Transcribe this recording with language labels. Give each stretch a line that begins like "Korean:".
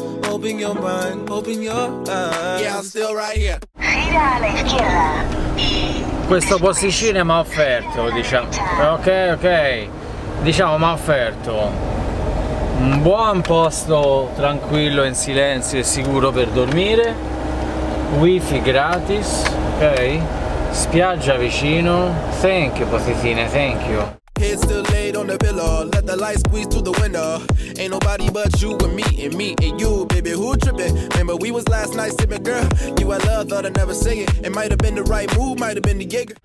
English: Open your mind, open your eyes. Yeah, I'm still right here.
Italian: Gira alla schiena. Questo posticino mi ha offerto, diciamo. Ok, ok. Diciamo mi ha offerto un buon posto tranquillo, in silenzio e sicuro per dormire. Wifi gratis, ok? Ok. Spiaggia vicino.
English: Thank you, Potifine, thank you. Head still laid on the pillow, let the light squeeze through the window. Ain't nobody but you and me and you, baby, who tripping? Remember we was last night sipping, girl. You I love, thought I'd never say it. It might have been the right move, might have been the gig.